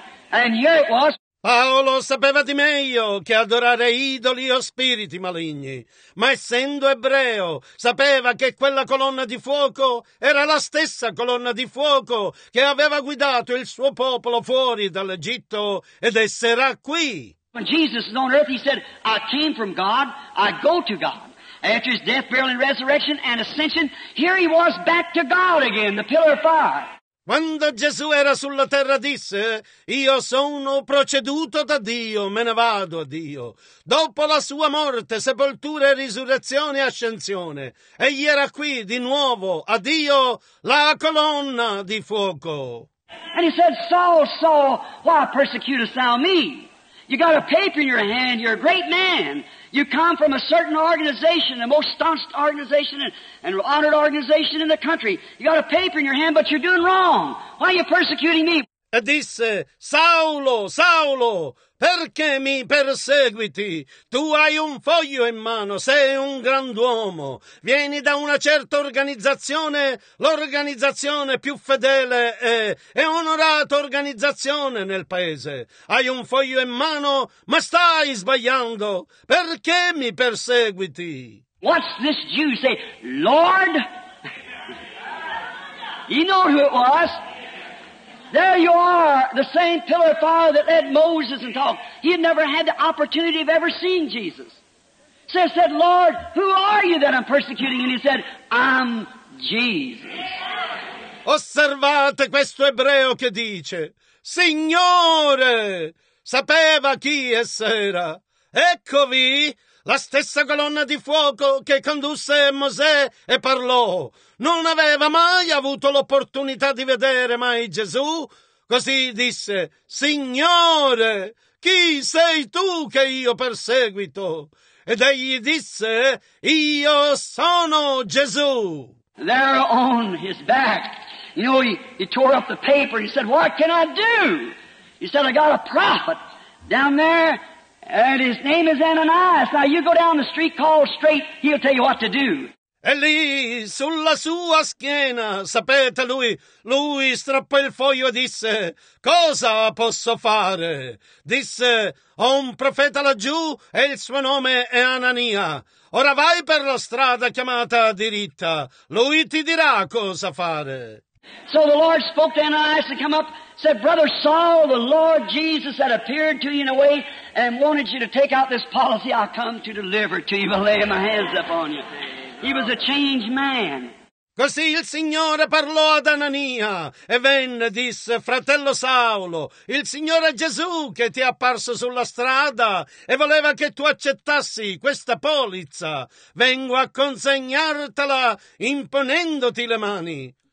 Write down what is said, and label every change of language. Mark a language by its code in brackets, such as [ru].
[en] And here it was. [it] Paolo sapeva di meglio che adorare idoli o spiriti maligni, ma essendo ebreo sapeva che quella colonna di fuoco era la stessa colonna di fuoco che aveva guidato il suo popolo fuori dall'Egitto ed esserà qui. [en] When Jesus is on earth, he said, I came from God, I go to God. After his death, burial, and resurrection and ascension, here he was back to God again, the pillar of fire. [it] Quando Gesù era sulla terra disse, io sono proceduto da Dio, me ne vado a Dio. Dopo la sua morte, sepoltura e risurrezione e ascensione, egli era qui di nuovo, a Dio, la colonna di fuoco. [en] And he said, Saul, Saul, why persecutest thou me? You got a paper in your hand, you're a great man. You come from a certain organization, the most staunch organization and honored organization in the country. You got a paper in your hand, but you're doing wrong. Why are you persecuting me? [it] E disse, Saulo, Saulo, perché mi perseguiti? Tu hai un foglio in mano, sei un grand'uomo. Vieni da una certa organizzazione, l'organizzazione più fedele e onorata organizzazione nel paese. Hai un foglio in mano, ma stai sbagliando. Perché mi perseguiti? [en] What's this Jew say? Lord? You know who it was? There you are, the same pillar of fire that led Moses and talked. He had never had the opportunity of ever seeing Jesus. So he said, Lord, who are you that I'm persecuting? And he said, I'm Jesus. [it] Osservate questo ebreo che dice, Signore, sapeva chi essera. Eccovi. La stessa colonna di fuoco che condusse Mosè e parlò. Non aveva mai avuto l'opportunità di vedere mai Gesù. Così disse, Signore, chi sei tu che io perseguito? Ed egli disse, io sono Gesù. [en] There on his back, you know, he tore up the paper. He said, what can I do? He said, I got a prophet down there. And his name is Ananias. Now you go down the street, call straight, he'll tell you what to do. [it] E lì, sulla sua schiena, sapete lui strappò il foglio e disse, cosa posso fare? Disse, ho un profeta laggiù e il suo nome è Anania. Ora vai per la strada chiamata a diritta, lui ti dirà cosa fare. [en] So the Lord spoke to Ananias to come up, said, brother Saul, the Lord Jesus had appeared to you in a way and wanted you to take out this policy, I come to deliver to you by laying my hands upon you. He was a changed man. [it] Così il Signore parlò ad Anania e venne, disse, fratello Saulo, il Signore Gesù che ti è apparso sulla strada e voleva che tu accettassi questa polizza, vengo a consegnartela imponendoti le mani.